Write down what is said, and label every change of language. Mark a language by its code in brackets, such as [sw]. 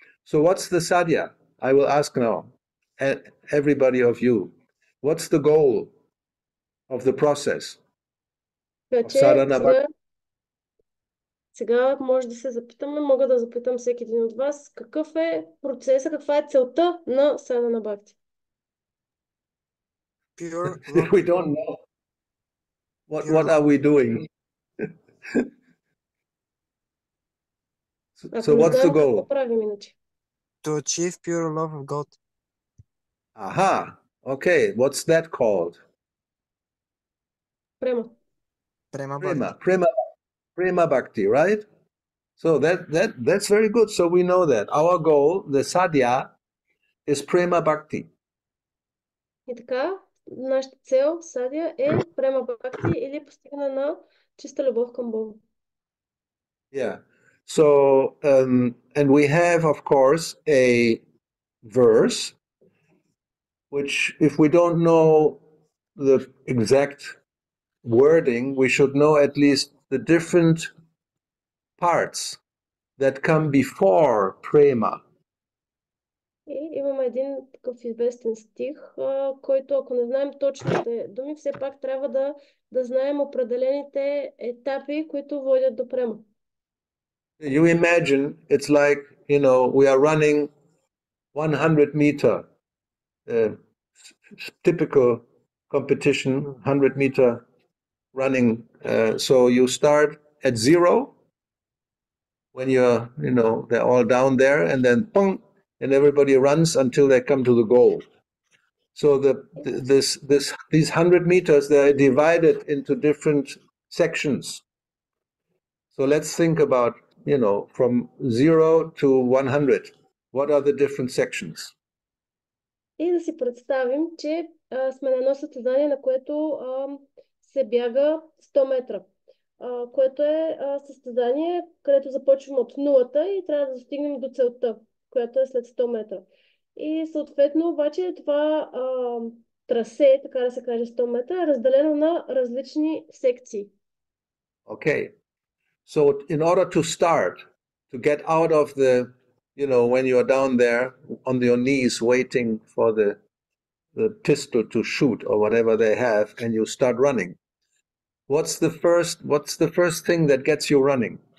[en] So what's the садя? I will ask now, everybody of you, what's the goal of the process? [bg] Сега може да се запитаме, мога да запитам всеки един от вас, какъв е процесът, каква е целта на Садана Бхакти? [en] We don't know. What are we doing? So what's the goal? To achieve pure love of God. Aha. Okay, what's that called? Prema. Prema Prema. Prema. Prema bhakti, right? So that's very good. So we know that our goal, the sadhya, is prema bhakti. [bg] И така, нашата цел, садия, е према бхакти или постигане на чиста любов към Бога. [en] Yeah. So, and we have, of course, a verse, which if we don't know the exact wording, we should know at least the different parts that come before prema. [bg] И имаме един такъв известен стих, който ако не знаем точните думи, все пак трябва да знаем определените етапи, които водят до према. [en] You imagine it's like, you know, we are running 100 meter, typical competition, 100 meter running. So you start at zero when you're, you know, they're all down there, and then pong, and everybody runs until they come to the goal. So these 100 meters, they're divided into different sections. So let's think about, you know, from 0 to 100, what are the different sections? [bg] И да си представим, че сме на едно състезание, на което се бяга 100 метра, което е състезание, където започваме от нулата и трябва да достигнем до целта, която е след 100 метра. И съответно, обаче, това трасе, така да се каже 100 метра, е разделено на различни секции. [en] Okay. So in order to start, to get out of the, you know, when you are down there on your knees waiting for the pistol to shoot or whatever they have, and you start running, what's the first thing that gets you running?